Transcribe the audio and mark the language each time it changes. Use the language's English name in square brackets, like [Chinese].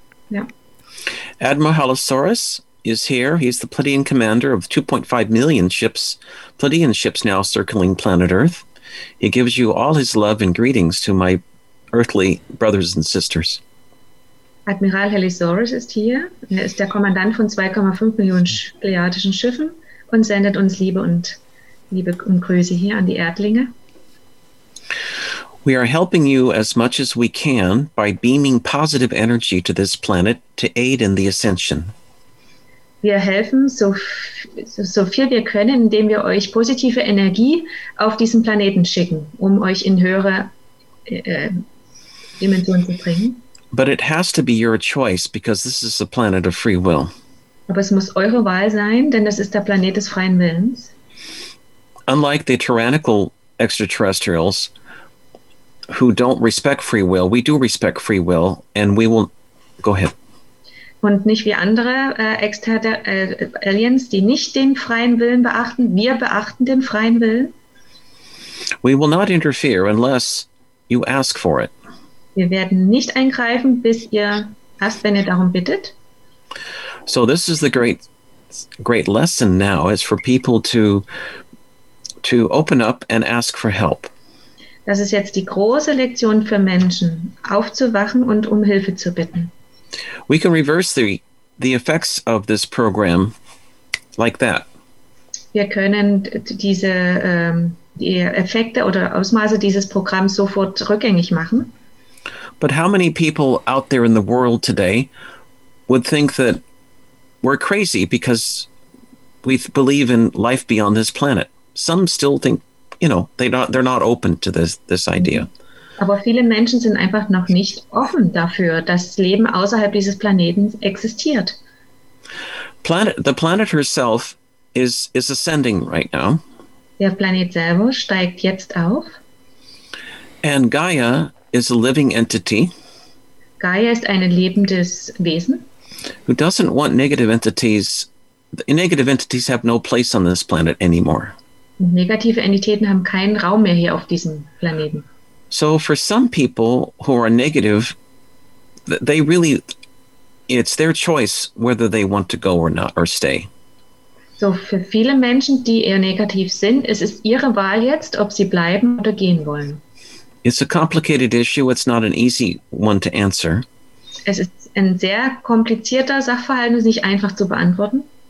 [German] Ja. [English] Admiral Halosaurus is here. He's the Pleiadian commander of 2.5 million ships, Pleiadian ships now circling planet Earth. He gives you all his love and greetings to my earthly brothers and sisters. [German] Admiral Halosaurus ist hier. Er ist der Kommandant von 2,5 Millionen pleiadischen Schiffen. Und sendet uns Liebe und Grüße hier an die Erdlinge. [English] We are helping you as much as we can by beaming positive energy to this planet to aid in the ascension. [German] Wir helfen so viel wir können, indem wir euch positive Energie auf diesen Planeten schicken, um euch in höhere Dimensionen zu bringen. [English] But it has to be your choice because this is a planet of free will. [German] Aber es muss eure Wahl sein, denn das ist der Planet des freien Willens. [English] Unlike the tyrannical extraterrestrials who don't respect free will, we do respect free will and we will go ahead. [German] Und nicht wie andere Aliens, die nicht den freien Willen beachten, wir beachten den freien Willen. [English] We will not interfere unless you ask for it. [German] Wir werden nicht eingreifen, bis ihr erst, wenn ihr darum bittet. [English] So this is the great lesson now is for people to open up and ask for help. [German] Das ist jetzt die große Lektion für Menschen, aufzuwachen und um Hilfe zu bitten. [English] We can reverse the effects of this program like that. [German] Wir können diese die Effekte oder Ausmaße dieses Programms sofort rückgängig machen. [English] But how many people out there in the world today would think that we're crazy because we believe in life beyond this planet. Some still think, you know, they're not open to this idea. [German] Aber viele Menschen sind einfach noch nicht offen dafür, dass Leben außerhalb dieses Planeten existiert. [English] The planet herself is ascending right now. [German] Der Planet selber steigt jetzt auf. [English] And Gaia is a living entity. [German] Gaia ist ein lebendes Wesen. [English] Who doesn't want negative entities? Negative entities have no place on this planet anymore. [German] Negative Entitäten haben keinen Raum mehr hier auf diesem Planeten. [English] So for some people who are negative, they really, it's their choice whether they want to go or not or stay. [German] So für viele Menschen, die eher negativ sind, es ist ihre Wahl jetzt, ob sie bleiben oder gehen wollen. [English] It's a complicated issue. It's not an easy one to answer. [German] Es ist ein sehr komplizierter Sachverhalt, ist nicht einfach zu beantworten.